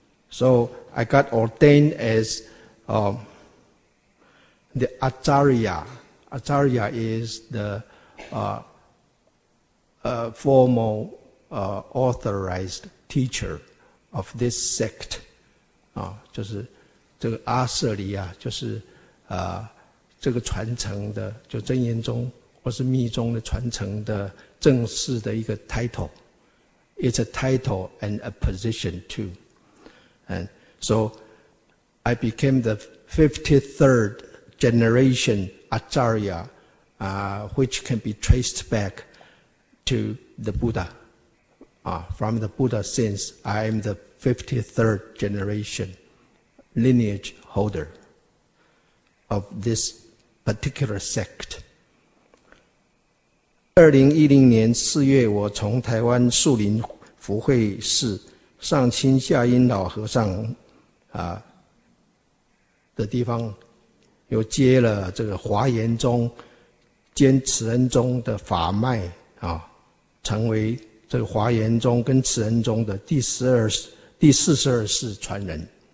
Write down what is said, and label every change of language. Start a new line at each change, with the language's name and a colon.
English: So I got ordained as the Acharya. Acharya is the formal authorized teacher of this sect.
Chinese: 就是这个阿舍离啊，就是这个传承的，就真言宗或是密宗的传承的正式的一个 title.
English: It's a title and a position too. And so I became the 53rd generation Acharya, which can be traced back to the Buddha. From the Buddha, since I am the 53rd generation lineage holder of this particular sect.
Chinese: 2010年4月，我从台湾树林福慧寺上清下音老和尚的地方，又接了这个华严宗兼慈恩宗的法脉啊，成为这个华严宗跟慈恩宗的第42世传人。